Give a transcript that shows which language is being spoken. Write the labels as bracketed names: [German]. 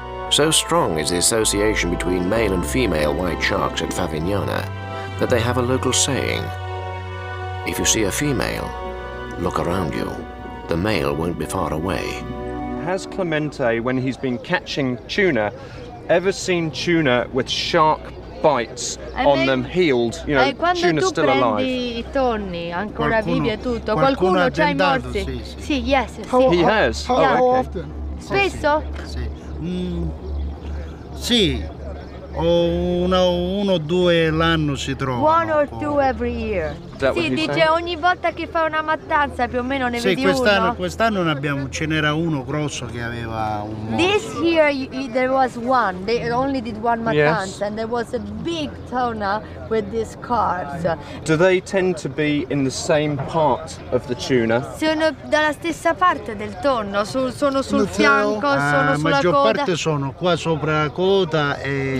[English] So strong is the association between male and female white sharks at Favignana that they have a local saying, if you see a female, look around you. The male won't be far away. Has Clemente, when he's been catching tuna, ever seen tuna with shark bites on them, healed, you know, tuna tu still alive? [Italian] Quando tu prendi I tonni, ancora vivi e tutto, qualcuno c'ha i morti? Sì, sì. [English] Sì, yes, how, he has. How often? [Italian] Spesso? Sì. O uno o due l'anno si trova. [English] One or two every year. [Italian] Sì, dice [English] say? [Italian] Ogni volta che fa una mattanza più o meno ne sì, vedi quest'anno, uno. Sì, quest'anno ne abbiamo, ce n'era uno grosso che aveva un morso. [English] This year there was one. They only did one mattanza, yes. And there was a big tuna with these carbs. Do they tend to be in the same part of the tuna? [Italian] Sono dalla stessa parte del tonno, sono sul fianco, sono sulla coda. La maggior parte sono qua sopra la coda e